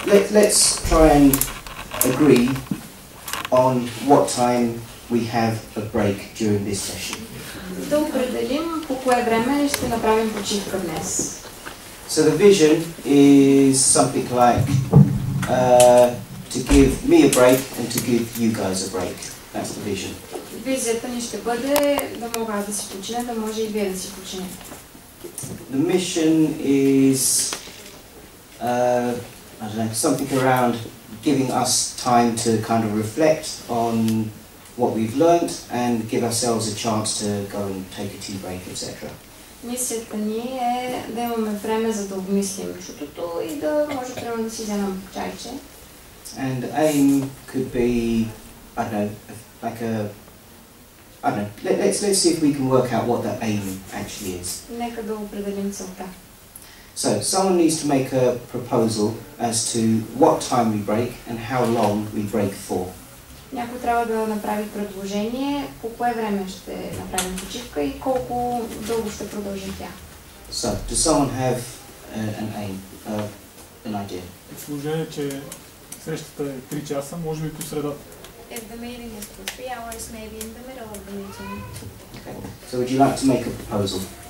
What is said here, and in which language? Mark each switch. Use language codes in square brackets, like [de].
[en] Let's try and agree on what time we have a break during this session. [bg] Да определим по кое време ще направим почивка днес. [en] So the vision is something like to give me a break and to give you guys a break. That's the vision. [bg] Визията ни ще бъде да мога да си почина, да може и вие да си почине. [en] The mission is I don't know, something around giving us time to kind of reflect on what we've learned and give ourselves a chance to go and take a tea break, etc. [bg] Мисията ни е да имаме време за да обмислим чутото и да може трябва да си вземем чайче. [en] And aim could be, let's see if we can work out what that aim actually is. [bg] Нека да определим целта. [en] So someone needs to make a proposal as to what time we break and how long we break for. [bg] Някой трябва да направи предложение по кое време ще направим почивка и колко дълго ще продължим тя. [en] So, does someone have an idea? [bg] Предположение, че срещата е 3 часа, може би по средата. [en] If the meeting is for 3 hours, maybe in the middle of the meeting. So would you like to make a proposal?